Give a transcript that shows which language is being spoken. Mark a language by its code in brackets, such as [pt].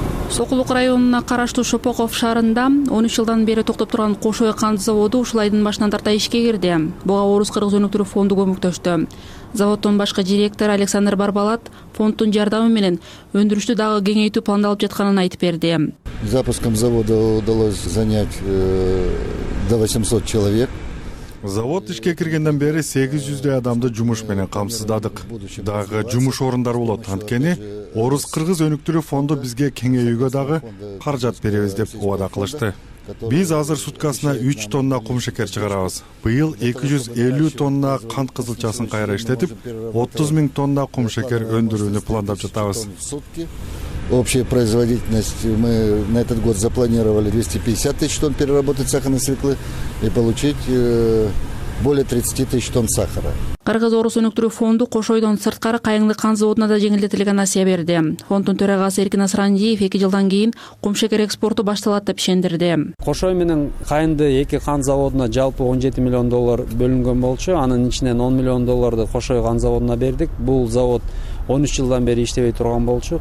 [ky] Сокулук районуна караштуу Шопоков шаарында 13 жылдан бери токтоп турган кошой кан заводу ушул айдын башынан тарта ишке кирди. Буга Орус кыргыз өнүктүрүү фонду көмөктөштү. Заводдун башкы директору Александр Барбалат фонддун жардамы менен өндүрүштү дагы кеңейтүү пландалып жатканын айтып берди. [ru] Запуском завода удалось занять до 800 человек. [ky] Завод ишке киргенден бери 800 адамды жумуш менен камсыздадык. Дагы жумуш орундар болот. Анткени Орус кыргыз өнүктүрүү фонду бизге кеңейүүгө дагы каражат беребиз деп убада кылышты. Биз азыр суткасына 3 тонна кум шекер чыгарабыз. Быйыл 250 тонна кант кызылчасын кайра иштетип, 30 000 тонна кум шекер өндүрүүнү пландап жатабыз. [ru] Общая производительность мы на этот год запланировали 250 тысяч тонн переработать сахарной свеклы и получить более 30 тысяч тонн сахара. [ky] Кыргыз Орус өнүктүрүү фонду Кошойдон сырткары Кайыңды кан заводуна да жеңилдетилген насыя берди. Фонддун төрагасы Эркин Асрандиев 2 жылдан кийин кум шекер экспорту башталат деп ишендирди. Кошой менен Кайыңды 2 кан заводуна жалпы 17 миллион доллар бөлүнгөн болчу. Анын ичинен 10 миллион долларды Кошой кан заводуна бердик. Бул завод 13 жылдан бери иштебей турган болчу.